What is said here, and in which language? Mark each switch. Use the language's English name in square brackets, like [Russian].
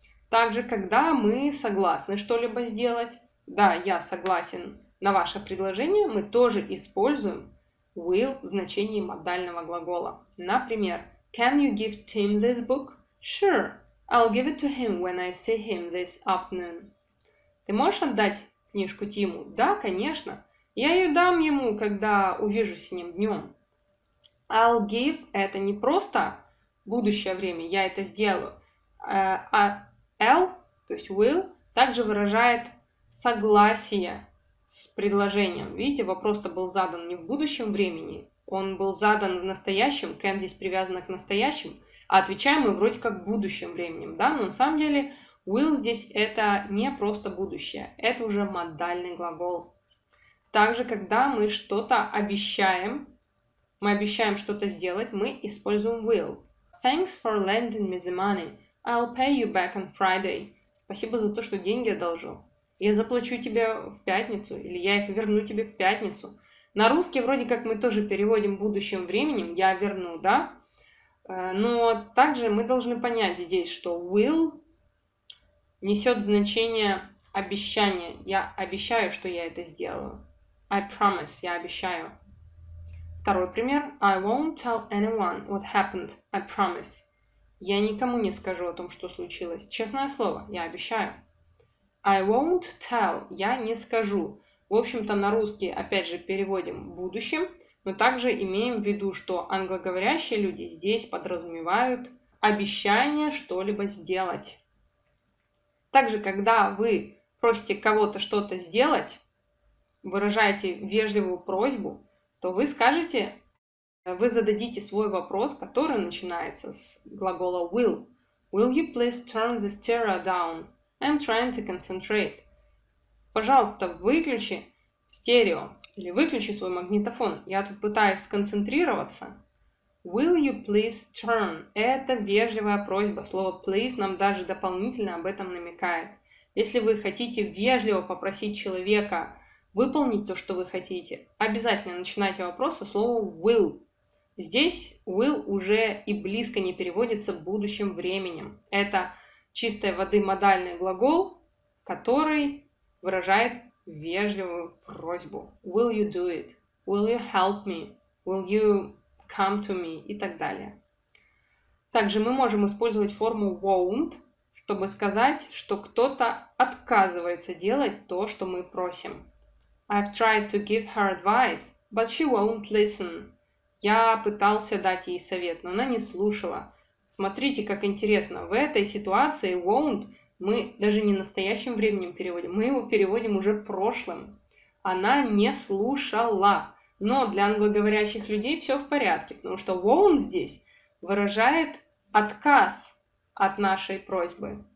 [Russian] Также, когда мы согласны что-либо сделать, да, я согласен на ваше предложение, мы тоже используем will в значении модального глагола. Например, [English] can you give Tim this book? Sure, I'll give it to him when I see him this afternoon. [Russian] Ты можешь отдать книжку Тиму? Да, конечно. Я ее дам ему, когда увижу с ним днем. [English] I'll give [Russian] – это не просто будущее время, я это сделаю. А L, то есть will, также выражает согласие с предложением. Видите, вопрос-то был задан не в будущем времени, он был задан в настоящем, can здесь привязано к настоящему, а отвечаем мы вроде как будущим временем, да, но на самом деле will здесь это не просто будущее, это уже модальный глагол. Также, когда мы что-то обещаем, мы обещаем что-то сделать, мы используем will. [English] Thanks for lending me the money. I'll pay you back on Friday. [Russian] Спасибо за то, что деньги одолжил. Я заплачу тебе в пятницу, или я их верну тебе в пятницу. На русский вроде как мы тоже переводим будущим временем, я верну, да? Но также мы должны понять здесь, что will несет значение обещания. Я обещаю, что я это сделаю. [English] I promise, [Russian] я обещаю. Второй пример. [English] I won't tell anyone what happened, I promise. [Russian] Я никому не скажу о том, что случилось. Честное слово, я обещаю. [English] I won't tell, [Russian] я не скажу. В общем-то, на русский, опять же, переводим в будущем, но также имеем в виду, что англоговорящие люди здесь подразумевают обещание что-либо сделать. Также, когда вы просите кого-то что-то сделать, выражаете вежливую просьбу, то вы скажете, вы зададите свой вопрос, который начинается с глагола will. [English] Will you please turn the stereo down? I'm trying to concentrate. [Russian] Пожалуйста, выключи стерео или выключи свой магнитофон. Я тут пытаюсь сконцентрироваться. [English] Will you please turn? [Russian] Это вежливая просьба. Слово please нам даже дополнительно об этом намекает. Если вы хотите вежливо попросить человека выполнить то, что вы хотите, обязательно начинайте вопрос со слова will. Здесь will уже и близко не переводится будущим временем. Это чистой воды модальный глагол, который выражает вежливую просьбу. [English] Will you do it? Will you help me? Will you come to me? [Russian] И так далее. Также мы можем использовать форму won't, чтобы сказать, что кто-то отказывается делать то, что мы просим. [English] I've tried to give her advice, but she won't listen. [Russian] Я пытался дать ей совет, но она не слушала. Смотрите, как интересно. В этой ситуации won't мы даже не настоящим временем переводим. Мы его переводим уже прошлым. Она не слушала. Но для англоговорящих людей все в порядке. Потому что won't здесь выражает отказ от нашей просьбы.